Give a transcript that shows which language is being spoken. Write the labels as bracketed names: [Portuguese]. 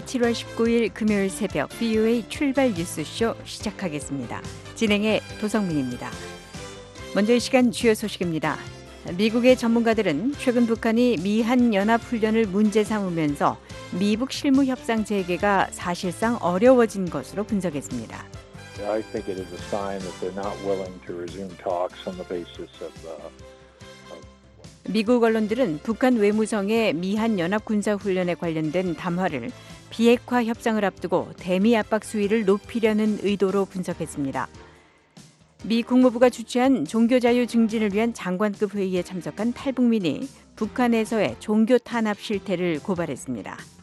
[Korean] 7월 19일 금요일 새벽 VOA 출발 뉴스 쇼 시작하겠습니다. 진행의 도성민입니다. 먼저 이 시간 주요 소식입니다. 미국의 전문가들은 최근 북한이 미한연합훈련을 문제 삼으면서 미북 실무 협상 재개가 사실상 어려워진 것으로 분석했습니다. [English] I think it is a sign that they're not willing to resume talks on the basis of the [Korean] 미국 언론들은 북한 외무성의 미한연합군사훈련에 관련된 담화를 비핵화 협상을 앞두고 대미 압박 수위를 높이려는 의도로 분석했습니다. 미 국무부가 주최한 종교자유 증진을 위한 장관급 회의에 참석한 탈북민이 북한에서의 종교 탄압 실태를 고발했습니다.